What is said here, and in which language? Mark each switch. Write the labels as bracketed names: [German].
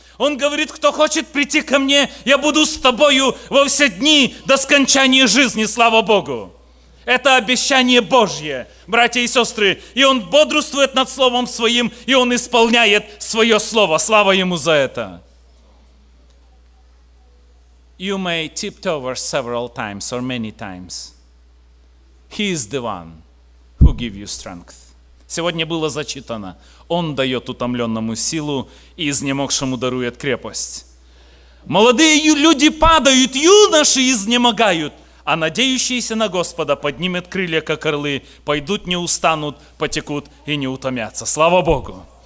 [Russian] Он говорит, кто хочет прийти ко мне, я буду с тобою во все дни до скончания жизни, слава Богу. Это обещание Божье, братья и сестры. И он бодрствует над словом своим, и он исполняет свое слово. Слава ему за это. [English] You may tiptoe several times or many times. He is the one who gives you strength. [Russian] Сегодня было зачитано, он дает утомленному силу и изнемогшему дарует крепость. Молодые люди падают, юноши изнемогают, а надеющиеся на Господа поднимут крылья, как орлы, пойдут, не устанут, потекут и не утомятся. Слава Богу!